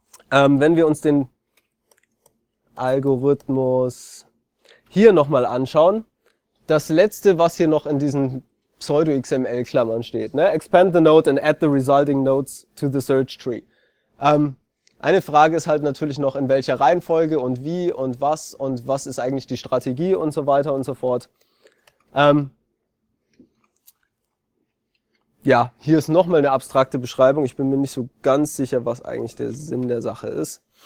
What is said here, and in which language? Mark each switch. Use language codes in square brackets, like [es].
[de] Wenn wir uns den Algorithmus hier nochmal anschauen, das letzte, was hier noch in diesen Pseudo-XML-Klammern steht, ne? [en] Expand the node and add the resulting nodes to the search tree. [de] Eine Frage ist halt natürlich noch, in welcher Reihenfolge und wie und was ist eigentlich die Strategie und so weiter und so fort. Hier ist nochmal eine abstrakte Beschreibung. Ich bin mir nicht so ganz sicher, was eigentlich der Sinn der Sache ist.